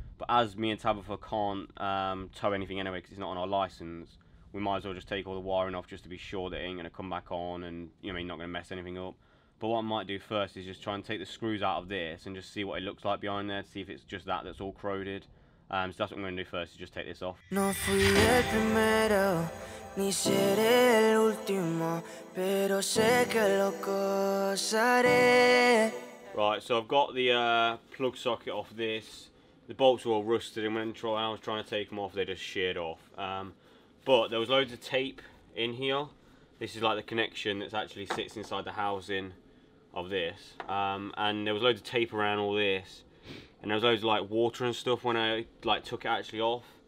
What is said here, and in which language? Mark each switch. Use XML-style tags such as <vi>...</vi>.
<en>But as me and Tabitha can't tow anything anyway because it's not on our license, we might as well just take all the wiring off just to be sure that it ain't going to come back on, and you know what I mean, not going to mess anything up. But what I might do first is just try and take the screws out of this and just see what it looks like behind there, see if it's just that's all corroded. So that's what I'm going to do first, is just take this off.</en> <es>No fui el primero, ni seré el último, pero sé que lo gozaré.</es> <en>Right, so I've got the plug socket off this. The bolts were all rusted, and when I was trying to take them off, they just sheared off. But there was loads of tape in here. This is like the connection that actually sits inside the housing of this. And there was loads of tape around all this. And there was loads of like water and stuff when I like took it actually off.</en>